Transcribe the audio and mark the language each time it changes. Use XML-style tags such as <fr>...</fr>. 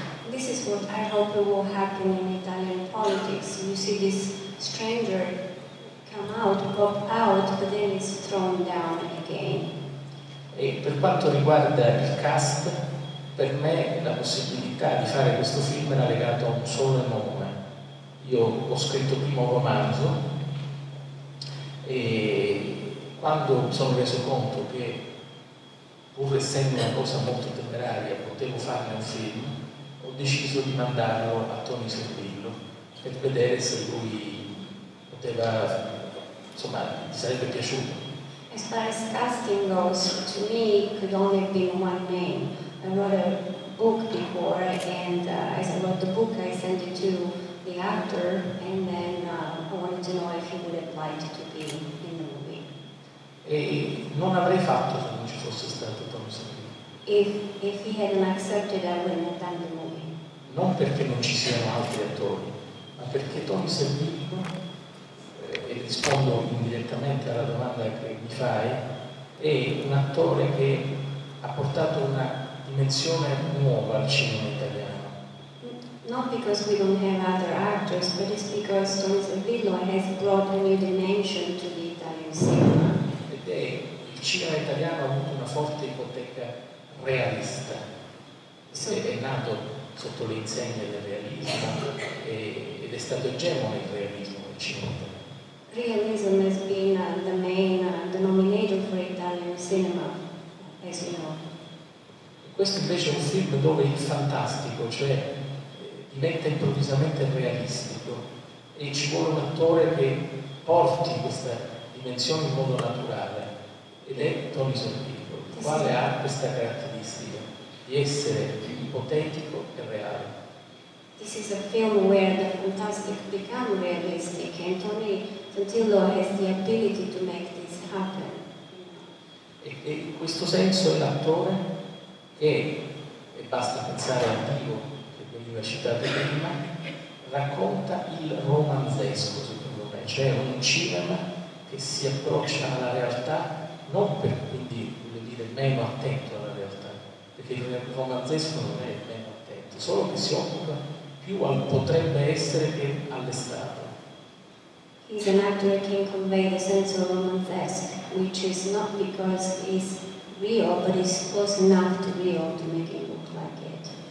<en>This is what I hope will happen in Italian politics. You see this stranger come out, pop out, but then it's thrown down again.</en> <it>E per quanto riguarda il cast, per me la possibilità di fare questo film era legata a un solo nome. Io ho scritto il primo romanzo e quando mi sono reso conto che, pur essendo una cosa molto temeraria, potevo farne un film, ho deciso di mandarlo a Tony Servillo per vedere se lui poteva, insomma, gli sarebbe piaciuto.</it> <en>As far as casting goes, to me it could only be one name. I wrote a book before, and as I wrote the book, I sent it to the actor, and then I wanted to know if he would have liked to be in the movie.</en> <it>E non avrei fatto se non ci fosse stato Tony Servillo.</it> <en>If he hadn't accepted, I wouldn't have done the movie.</en> <it>Non perché non ci siano altri attori, ma perché Tony Servillo, e rispondo indirettamente alla domanda che mi fai, è un attore che ha portato una dimensione nuova al cinema italiano.</it> <en>Not because we don't have other actors, but it's because Tony Servillo has brought a new dimension to the Italian cinema.</en> <it>Il cinema italiano ha avuto una forte ipoteca realista, so, è nato sotto le insegne del realismo ed è stato egemone il realismo nel cinema italiano.</it> <en>Realism has been the main denominator for Italian cinema, as you know.</en> <it>Questo invece è un film dove il fantastico, cioè diventa improvvisamente realistico e ci vuole un attore che porti questa dimensione in modo naturale. Ed è Tony Servillo, il quale ha questa caratteristica di essere ipotetico e reale.</it> <en>This is a film where the fantastic become realistic, and Tony Servillo has the ability to make this happen.</en> <it>E in questo senso è l'attore che, e basta pensare al vivo che veniva citato prima, racconta il romanzesco, secondo me, cioè un cinema che si approccia alla realtà. Non per, quindi, voglio dire, meno attento alla realtà, perché il romanzesco non è meno attento, solo che si occupa più al potrebbe essere che all'estate.</it> <en>is an actor can convey the sense of romanticism, which is not because it's real, but it's close enough to real to make it look like it.</en>